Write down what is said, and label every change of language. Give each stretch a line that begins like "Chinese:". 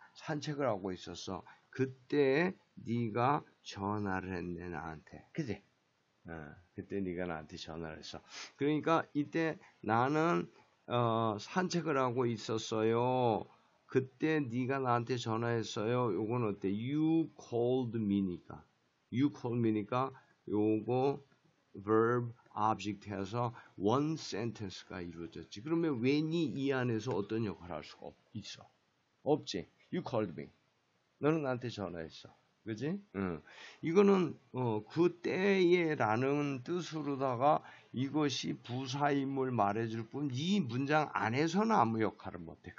Korean: 산책을 하고 있었어. 그때 네가 전화를 했네, 나한테. 그지? 그때 네가 나한테 전화를 했어. 그러니까 이때 나는 산책을 하고 있었어요. 그때 네가 나한테 전화했어요. 요건 어때?
English: You called me니까. You called me니까
Korean: 요거
English: verb object
Korean: 해서
English: one sentence가 이루어졌지.
Korean: 그러면 when이 이 안에서 어떤 역할을 할 수가 있어? 없지.
English: You called me.
Korean: 너는 나한테 전화했어. 그지? 응. 이거는 그때에라는 뜻으로다가 이것이 부사임을 말해줄 뿐 이 문장 안에서는 아무 역할을 못해.